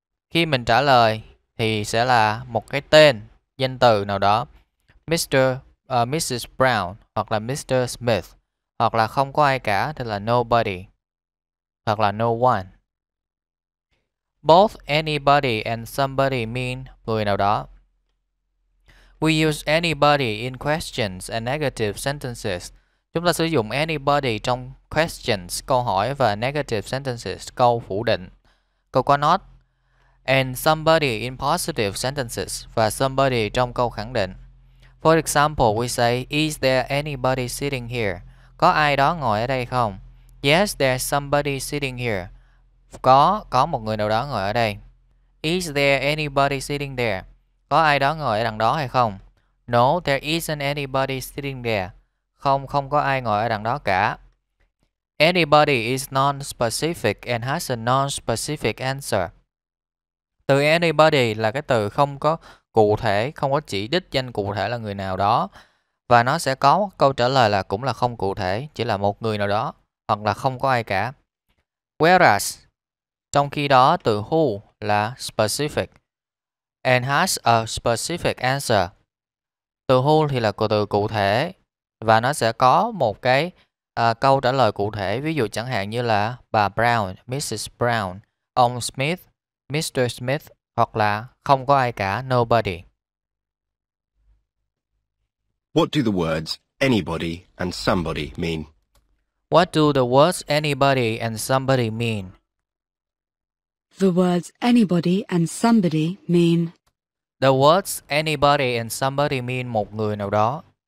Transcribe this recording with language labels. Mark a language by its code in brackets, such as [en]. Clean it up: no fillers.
[vi] Khi mình trả lời thì sẽ là một cái tên, danh từ nào đó, Mrs. Brown, hoặc là Mr. Smith, hoặc là không có ai cả thì là nobody, hoặc là no one. [en] Both anybody and somebody mean [vi] người nào đó. [en] We use anybody in questions and negative sentences. [vi] Chúng ta sử dụng anybody trong questions, câu hỏi, và negative sentences, câu phủ định. Câu có not. [en] And somebody in positive sentences [vi] và somebody trong câu khẳng định. [en] For example, we say, is there anybody sitting here? [vi] Có ai đó ngồi ở đây không? [en] Yes, there's somebody sitting here. [vi] Có một người nào đó ngồi ở đây. [en] Is there anybody sitting there? [vi] Có ai đó ngồi ở đằng đó hay không? [en] No, there isn't anybody sitting there. [vi] Không, không có ai ngồi ở đằng đó cả. [en] Anybody is non-specific and has a non-specific answer. [vi] Từ anybody là cái từ không có cụ thể, không có chỉ đích danh cụ thể là người nào đó. Và nó sẽ có câu trả lời là cũng là không cụ thể, chỉ là một người nào đó, hoặc là không có ai cả. Whereas, trong khi đó từ who là specific. [en] And has a specific answer. [vi] Từ who thì là từ cụ thể. Và nó sẽ có một cái câu trả lời cụ thể. Ví dụ chẳng hạn như là bà Brown, Mrs. Brown, ông Smith, Mr. Smith, hoặc là không có ai cả, nobody. [en] What do the words anybody and somebody mean? What do the words anybody and somebody mean? The words anybody and somebody mean. The words anybody and somebody mean [vi] một người nào đó.